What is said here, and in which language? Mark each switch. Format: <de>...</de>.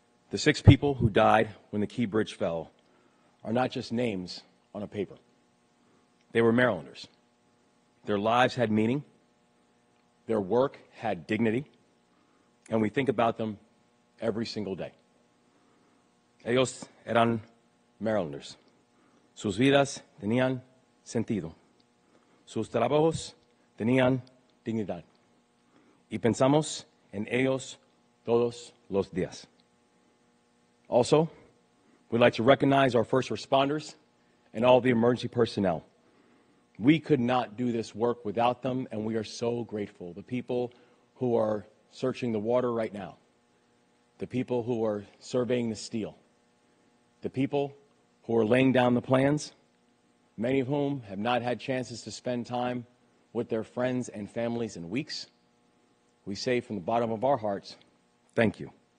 <en>The six people who died when the Key Bridge fell are not just names on a paper. They were Marylanders. Their lives had meaning. Their work had dignity. And we think about them every single day.</en> <es>Ellos eran Marylanders. Sus vidas tenían sentido. Sus trabajos tenían dignidad. Y pensamos en ellos todos los días.</es> <en>Also, we'd like to recognize our first responders and all the emergency personnel. We could not do this work without them, and we are so grateful. The people who are searching the water right now, the people who are surveying the steel, the people who are laying down the plans, many of whom have not had chances to spend time with their friends and families in weeks, we say from the bottom of our hearts, thank you.</en>